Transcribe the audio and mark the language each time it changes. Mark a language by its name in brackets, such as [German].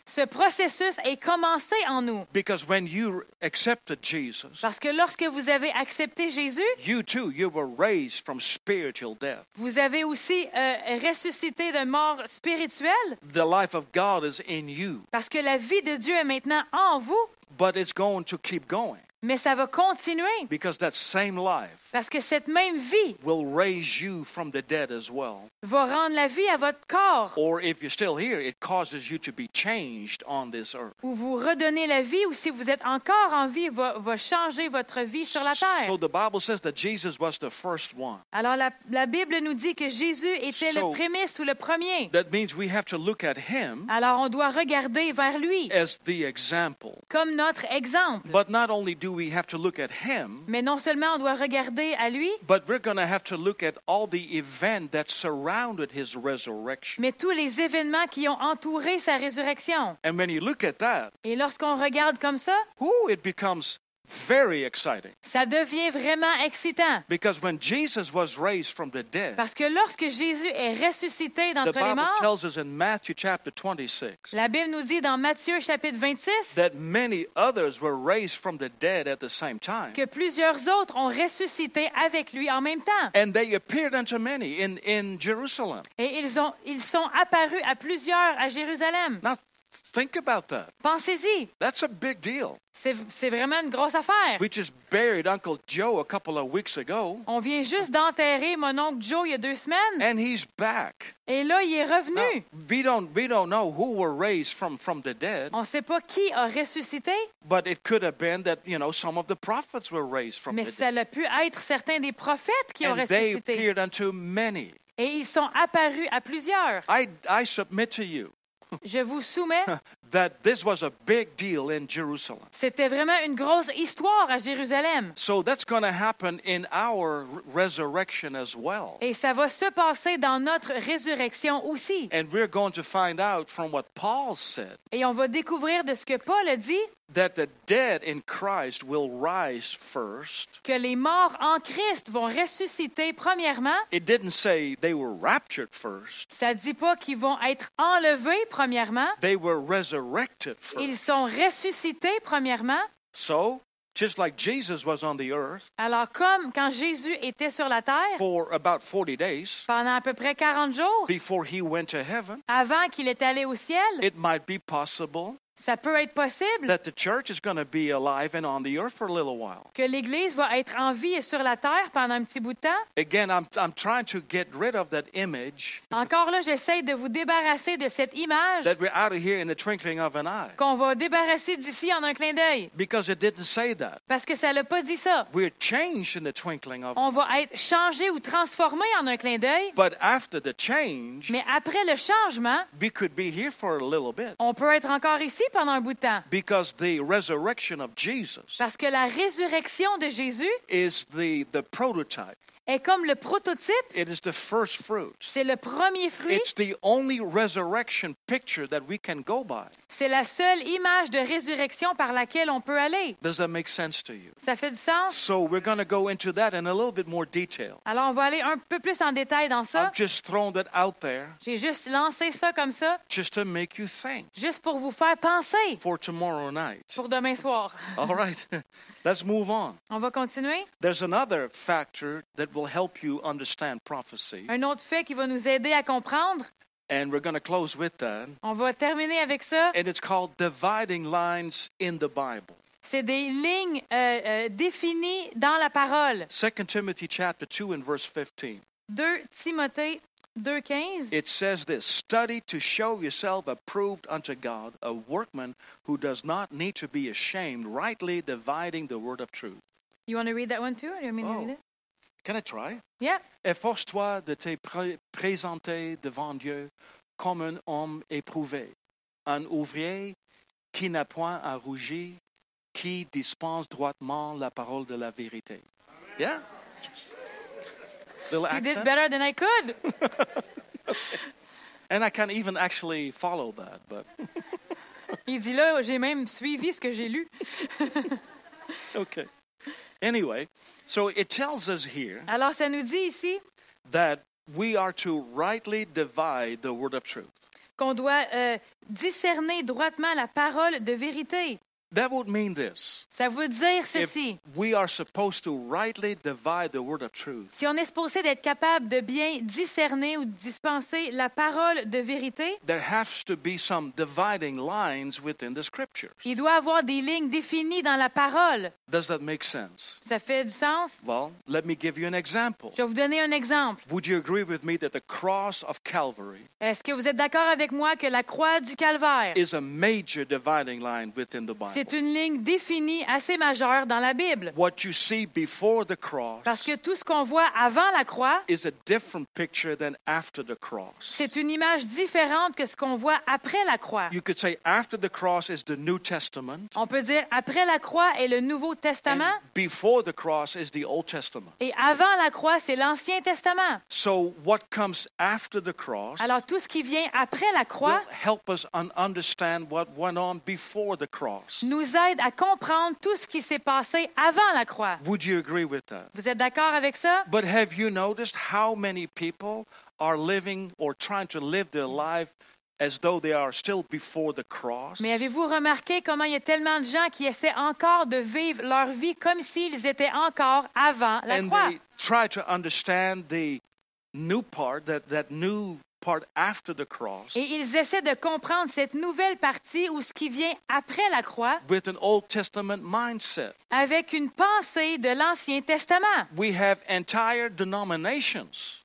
[French] Ce processus est commencé en nous. [English] Because when you accepted Jesus, [French] parce que lorsque vous avez accepté Jésus, [English] you too, you were raised from spiritual death. [French] Vous avez aussi ressuscité de mort spirituelle. [English] The life of God is in you. [French] Parce que la vie de Dieu est maintenant en vous. [English] But it's going to keep going. [French] Mais ça va continuer. [English] Because that same life. [French] Parce que cette même vie. [English] Will raise you from the dead as well. [French] Va rendre la vie à votre corps. [English] Or if you're still here, it causes you to be changed on this earth. [French] Ou vous redonner la vie, ou si vous êtes encore en vie, va changer votre vie sur la terre. [English] So the Bible says that Jesus was the first one. [French] Alors la Bible nous dit que Jésus était le prémisse ou le premier. [English] That means we have to look at him. [French] Alors on doit regarder vers lui. [English] As the example. [French] Comme notre exemple. [English] But not only do we have to look at him, [French] mais non seulement on doit regarder à lui, [English] but we're going to have to look at all the events that surrounded his resurrection. [French] Mais tous les événements qui ont entouré sa résurrection. [English] And when you look at that, [French] et lorsqu'on regarde comme ça, [English] it becomes very exciting. [French] Ça devient vraiment excitant. [English] Because when Jesus was raised from the dead, [French] parce que lorsque Jésus est ressuscité d'entre les morts, [English] the Bible tells us in Matthew chapter 26, [French] la Bible nous dit dans Matthieu chapitre 26, [English] that many others were raised from the dead at the same time. [French] Que plusieurs autres ont ressuscité avec lui en même temps. [English] And they appeared unto many in Jerusalem. [French] Et ils sont apparus à plusieurs à Jérusalem. [English] Now, think about that. [French] Pensez-y. [English] That's a big deal. [French] C'est vraiment une grosse affaire. [English] We just buried Uncle Joe a couple of weeks ago. [French] On vient juste d'enterrer mon oncle Joe il y a deux semaines. [English] And he's back. [French] Et là, il est revenu. [English] Now, we don't know who were raised from the dead. [French] On sait pas qui a ressuscité. [English] But it could have been that, you know, some of the prophets were raised from [French] Mais [English] the dead. [French] Mais ça a pu être certains des prophètes qui [English] And [French] ont ressuscité. [English] And they appeared unto many. [French] Et ils sont apparus à plusieurs. [English] I submit to you. [French] Je vous soumets [English] that this was a big deal in Jerusalem. [French] C'était vraiment une grosse histoire à Jérusalem. [English] So that's going to happen in our resurrection as well. [French] Et ça va se passer dans notre résurrection aussi. [English] And we're going to find out from what Paul said. [French] Et on va découvrir de ce que Paul a dit. [English] That the dead in Christ will rise first. [French] Que les morts en Christ vont ressusciter premièrement. [English] It didn't say they were raptured first. [French] Ça dit pas qu'ils vont être enlevés premièrement. [English] They were resurrected first. [French] Ils sont ressuscités premièrement. [English] So, just like Jesus was on the earth. [French] Alors comme quand Jésus était sur la terre. [English] For about 40 days. [French] Pendant à peu près 40 jours. [English] Before he went to heaven. [French] Avant qu'il est allé au ciel. [English] It might be possible. [French] Ça peut être possible [English] that the church is going to be alive and on the earth for a little while. [French] Que l'église va être en vie et sur la terre pendant un petit bout de temps. [English] Again, I'm trying to get rid of that image. [French] Encore là, j'essaie de vous débarrasser de cette image. [English] That we're out of here in the twinkling of an eye. [French] Qu'on va débarrasser d'ici en un clin d'œil. [English] Because it didn't say that. [French] Parce que ça l'a pas dit ça. [English] We're changed in the twinkling of an eye. [French] On va être changé ou transformé en un clin d'œil. [English] But after the change. [French] Mais après le changement. [English] We could be here for a little bit. [French] On peut être encore ici. Pendant un bout de temps. [English] Because the resurrection of Jesus, [French] parce que la résurrection de Jésus, [English] is the prototype. [French] Est comme le prototype. [English] It is the first fruit. [French] C'est le premier fruit. [English] It's the only resurrection picture that we can go by. [French] C'est la seule image de résurrection par laquelle on peut aller. [English] Does that make sense to you? [French] Ça fait du sens? [English] So we're going to go into that in a little bit more detail. [French] Alors on va aller un peu plus en détail dans ça. [English] I've just thrown that out there. [French] J'ai juste lancé ça comme ça. [English] Just to make you think. [French] Juste pour vous faire penser. [English] For tomorrow night. [French] Pour demain soir. [English] All right. Let's move on. [French] On va continuer. [English] There's another factor that will help you understand prophecy. [French] Un autre fait qui va nous aider à comprendre. [English] And we're going to close with that. [French] On va terminer avec ça. [English] And it's called dividing lines in the Bible. [French] C'est des lignes définies dans la parole. [English] 2 Timothy chapter 2 and verse 15. [French] 2 Timothée 2:15. [English] It says this, study to show yourself approved unto God, a workman who does not need to be ashamed, rightly dividing the word of truth. You want to read that one too? Or you mean oh. to read it? Can I try? Yeah. [French] Efforce-toi de te présenter devant Dieu comme un homme éprouvé, un ouvrier qui n'a point à rougir, qui dispense droitement la parole de la vérité. [English] Amen. Yeah? Yes. Little you accent. You did better than I could. Okay. And I can't even actually follow that, but. [French] Il dit là, j'ai même suivi ce que j'ai lu. [English] Okay. Anyway, so it tells us here. [French] Alors ça nous dit ici [English] that we are to rightly divide the word of truth. [French] Qu'on doit discerner droitement la parole de vérité. [English] That would mean this. [French] Ça veut dire ceci. [English] If we are supposed to rightly divide the word of truth. [French] Si on est supposé d'être capable de bien discerner ou dispenser la parole de vérité. [English] There has to be some dividing lines within the scriptures. [French] Il doit avoir des lignes définies dans la parole. [English] Does that make sense? [French] Ça fait du sens? [English] Well, let me give you an example. [French] Je vais vous donner un exemple. [English] Would you agree with me that the cross of Calvary? [French] Est-ce que vous êtes d'accord avec moi que la croix du calvaire [English] is a major dividing line within the Bible? [French] C'est une ligne définie assez majeure dans la Bible. [English] What you see before the cross, [French] parce que tout ce qu'on voit avant la croix, [English] is a different picture than after the cross. [French] C'est une image différente que ce qu'on voit après la croix. [English] You could say after the cross is the New Testament. [French] On peut dire après la croix est le Nouveau Testament. [English] And before the cross is the Old Testament. [French] Et avant la croix, c'est l'Ancien Testament. [English] So what comes after the cross, [French] alors tout ce qui vient après la croix, [English] will help us understand what went on before the cross. [French] nous aide à comprendre tout ce qui s'est passé avant la croix. [English] Would you agree with that? [French] Vous êtes d'accord avec ça? [English] But have you noticed how many people are living or trying to live their life as though they are still before the cross? [French] Mais avez-vous remarqué comment il y a tellement de gens qui essaient encore de vivre leur vie comme s'ils étaient encore avant la [English] and [French] croix? [English] And they try to understand the new part, that new part after the cross. [French] Et ils essaient de comprendre cette nouvelle partie ou ce qui vient après la croix. [English] With an Old Testament mindset. [French] Avec une pensée de l'Ancien Testament. [English] We have entire denominations.